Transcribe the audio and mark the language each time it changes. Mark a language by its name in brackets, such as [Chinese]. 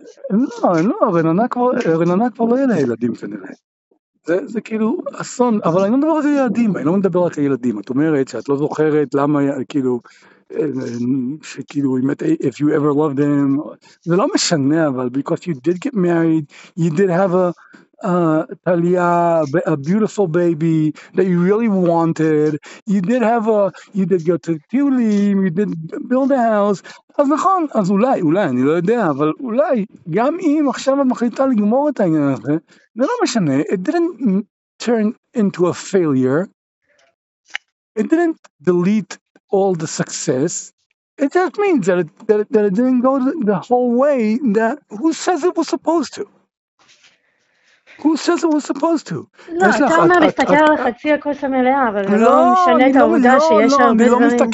[Hebrew] הם לא, רננה כבר לא יהיה לילדים כנראה. זה כאילו אסון, אבל אני לא מדבר רק על ילדים, אני לא מדבר רק על ילדים. את אומרת שאת לא זוכרת למה, כאילו, שכאילו, [English] if you ever loved them, [Hebrew] זה לא משנה, אבל [English] because you did get married, you did have Talia, a beautiful baby that you really wanted. You did go to Tulim, you did build a house. [Hebrew] אז נכון, אז אולי, אני לא יודע, אבל אולי, גם אם עכשיו את מחליטה לגמור את העניין הזה, זה לא משנה. [English] It didn't turn into a failure. It didn't delete all the success. It just means that it didn't go the whole way that who says it was supposed to. Who says it was supposed to? [Hebrew] לא, אתה אומר להסתכל על חצי הכוס המלאה, אבל זה לא משנה את העובדה שיש הרבה דברים.